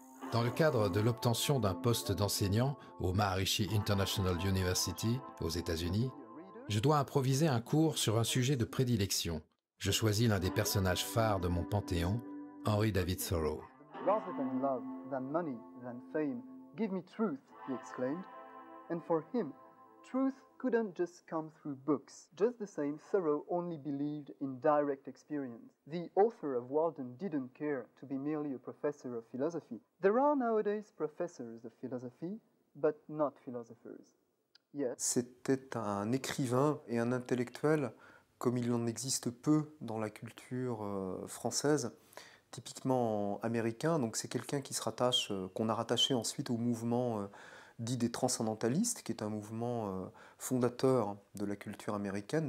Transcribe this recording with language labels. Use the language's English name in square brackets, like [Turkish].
[French] Dans le cadre de l'obtention d'un poste d'enseignant au Maharishi International University aux États-Unis, je dois improviser un cours sur un sujet de prédilection. Je choisis l'un des personnages phares de mon panthéon, Henry David Thoreau. [English] Rather than love, than money, than fame, give me truth, he exclaimed. And for him, truth couldn't just come through books. Just the same, Thoreau only believed in direct experience. The author of Walden didn't care to be merely a professor of philosophy. There are nowadays professors of philosophy, but not philosophers. Yet. [French] C'était un écrivain et un intellectuel comme il en existe peu dans la culture française, typiquement américain. Donc c'est quelqu'un qui se rattache, qu'on a rattaché ensuite au mouvement dit des transcendantalistes, qui est un mouvement fondateur de la culture américaine.